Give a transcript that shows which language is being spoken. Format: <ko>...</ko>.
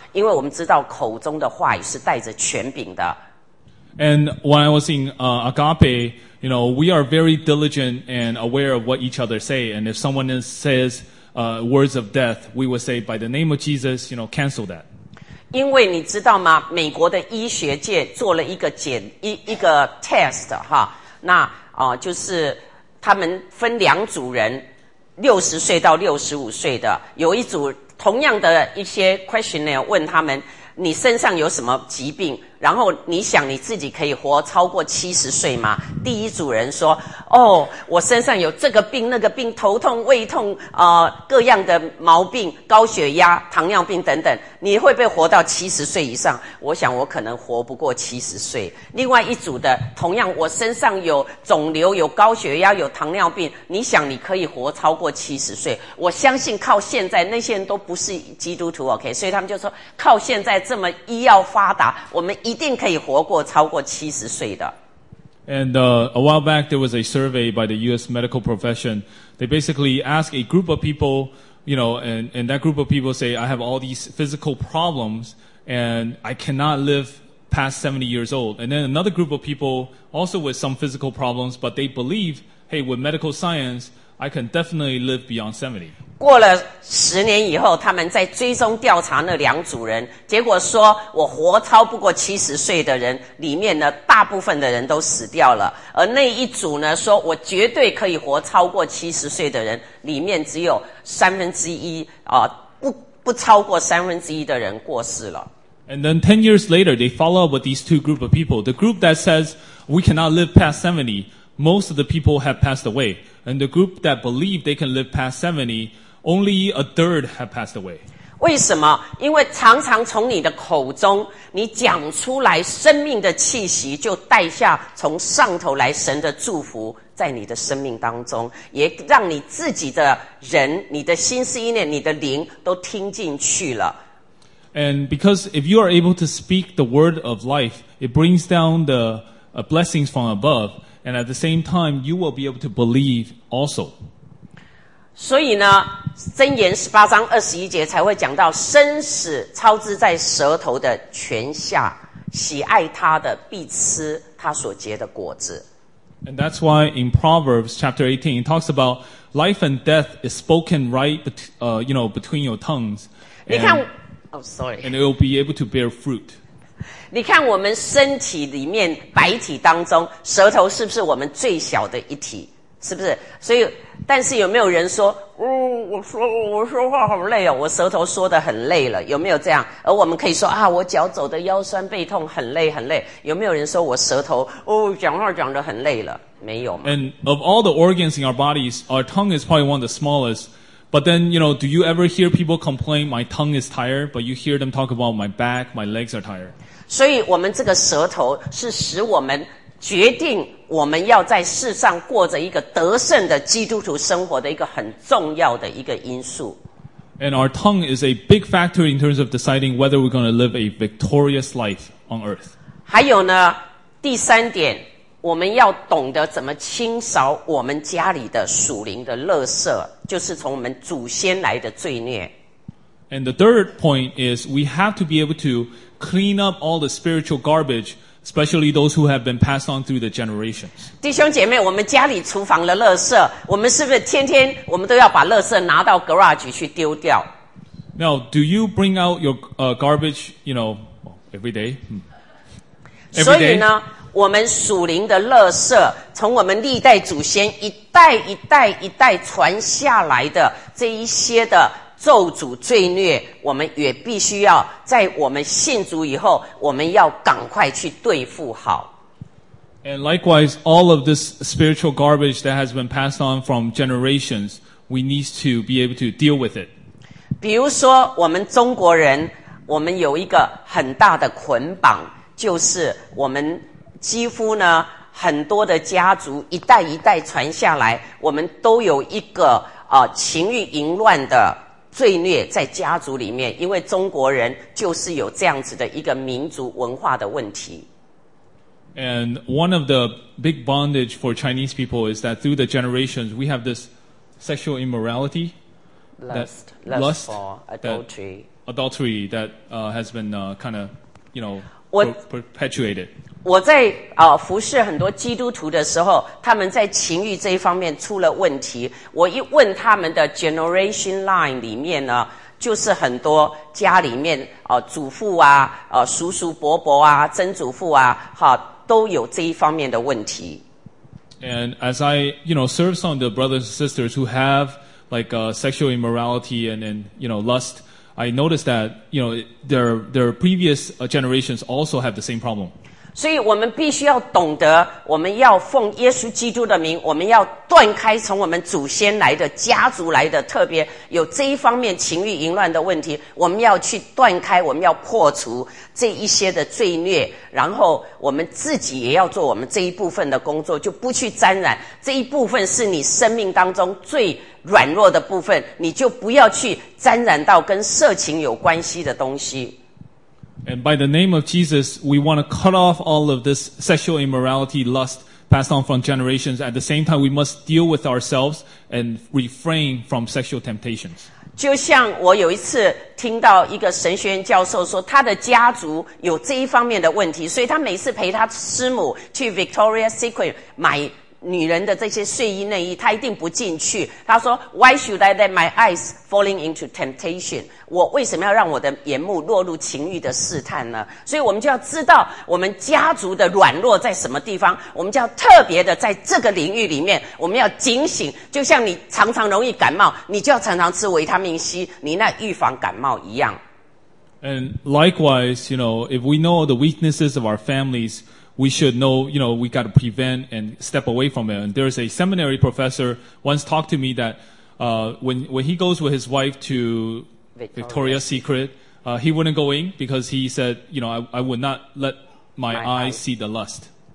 <zh>因为我们知道口中的话语是带着权柄的。</zh> <en>And when I was in Agape, you know, we are very diligent and aware of what each other say. And if someone says words of death, we will say, by the name of Jesus, you know, cancel that.</en> <zh>因为你知道吗？美国的医学界做了一个 test 哈，那就是他们分两组人， 60岁到65岁的，有一组同样的一些 questionnaire 问他们，你身上有什么疾病，然后你想你自己可以活超过70岁吗？第一组人说，哦，我身上有这个病那个病，头痛胃痛各样的毛病，高血压糖尿病等等，你会不会活到70岁以上？我想我可能活不过70岁。另外一组的同样，我身上有肿瘤，有高血压，有糖尿病，你想你可以活超过70岁？我相信靠现在那些人都不是基督徒， OK， 所以他们就说靠现在这么医药发达，我们一定可以活过超过70岁的。</zh> <en>And a while back there was a survey by the US medical profession. They basically asked a group of people, you know, and that group of people say, I have all these physical problems and I cannot live past 70 years old. And then another group of people also with some physical problems, but they believe, hey, with medical science, I can definitely live beyond 70.</en> <zh>过了十年以后，他们在追踪调查那两组人，结果说我活超不过70岁的人里面呢，大部分的人都死掉了，而那一组呢说我绝对可以活超过70岁的人里面只有三分之一、不超过三分之一的人过世了。</zh> <en>And then 10 years later they follow up with these two group of people. The group that says we cannot live past 70, most of the people have passed awayAnd the group that believe they can live past 70, only a third have passed away.</en> <zh>为什么？因为常常从你的口中，你讲出来生命的气息，就带下从上头来神的祝福在你的生命当中，也让你自己的人，你的心思意念，你的灵都听进去了。</zh> <en>And because if you are able to speak the word of life, it brings down the blessings from above. And at the same time, you will be able to believe also.</en> <zh>所以呢，箴言十八章二十一节才会讲到生死操之在舌头的泉下，喜爱他的必吃他所结的果子。</zh> <en>And that's why in Proverbs chapter 18, it talks about life and death is spoken right, between your tongues.</en> <zh>你看</zh> <en>，Oh, sorry. And it will be able to bear fruit.</en> <zh>你看我们身体里面白体当中，舌头是不是我们最小的一体？是不是？所以，但是有没有人说，我说话好累哦，我舌头说得很累了，有没有这样？而我们可以说啊，我脚走的腰酸背痛，很累很累。有没有人说我舌头哦，讲话讲得很累了？没有吗</zh> <en>？And of all the organs in our bodies, our tongue is probably one of the smallest. But then, you know, do you ever hear people complain, my tongue is tired? But you hear them talk about my back, my legs are tired.</en> <zh>所以我们这个舌头是使我们决定我们要在世上过着一个得胜的基督徒生活的一个很重要的一个因素。</zh> <en>And our tongue is a big factor in terms of deciding whether we're going to live a victorious life on earth.</en> <zh>还有呢，第三点，我们要懂得怎么清扫我们家里的属灵的垃圾，就是从我们祖先来的罪孽。</zh> <en>And the third point is we have to be able to clean up all the spiritual garbage, especially those who have been passed on through the generations.</en> <zh>弟兄姐妹，我们家里厨房的垃圾，我们是不是天天我们都要把垃圾拿到 garage 去丢掉？</zh> <en>Now, do you bring out your garbage, you know, every day? Every day?</en> <zh>所以呢，我们属灵的垃圾，从我们历代祖先一代一代一代传下来的这一些的咒诅罪孽，我们也必须要在我们信主以后，我们要赶快去对付好。</zh> <en>And likewise, all of this spiritual garbage that has been passed on from generations, we need to be able to deal with it.</en> <zh>比如说，我们中国人，我们有一个很大的捆绑，就是我们几乎呢，很多的家族一代一代传下来，我们都有一个情欲淫乱的罪孽在家族里面，因为中国人就是有这样子的一个民族文化的问题。</zh> <en>And one of the big bondage for Chinese people is that through the generations we have this sexual immorality, lust for adultery. Adultery that has been kind of, you know, perpetuated.</en> <zh>我在服侍很多基督徒的时候，他们在情欲这一方面出了问题，我一问他们的 generation line 里面呢，就是很多家里面祖父啊叔叔伯伯啊曾祖父啊都有这一方面的问题。</zh> <en>And as I, you know, serve some of the brothers and sisters who have like sexual immorality and you know lust, I noticed that you know their previous generations also have the same problem.</en> <zh>所以我们必须要懂得，我们要奉耶稣基督的名，我们要断开从我们祖先来的家族来的特别有这一方面情欲淫乱的问题，我们要去断开，我们要破除这一些的罪孽，然后我们自己也要做我们这一部分的工作，就不去沾染这一部分，是你生命当中最软弱的部分，你就不要去沾染到跟色情有关系的东西。</zh> <en>And by the name of Jesus, we want to cut off all of this sexual immorality, lust passed on from generations. At the same time, we must deal with ourselves and refrain from sexual temptations.</en> <zh>就像我有一次听到一个神学院教授说，他的家族有这一方面的问题，所以他每次陪他师母去 Victoria's Secret 买女人的这些睡衣内衣，他一定不进去。他说</zh> <en>，Why should I let my eyes falling into temptation？</en> <zh>我为什么要让我的眼目落入情欲的试探呢？所以我们就要知道我们家族的软弱在什么地方，我们就要特别的在这个领域里面，我们要警醒。就像你常常容易感冒，你就要常常吃维他命 C， 你那预防感冒一样。</zh> <en>And likewise, you know, if we know the weaknesses of our families. We should know, you know, we got to prevent and step away from it. And there's a seminary professor once talked to me that when he goes with his wife to Victoria's Secret, he wouldn't go in because he said, you know, I would not let my eyes see the lust.</en>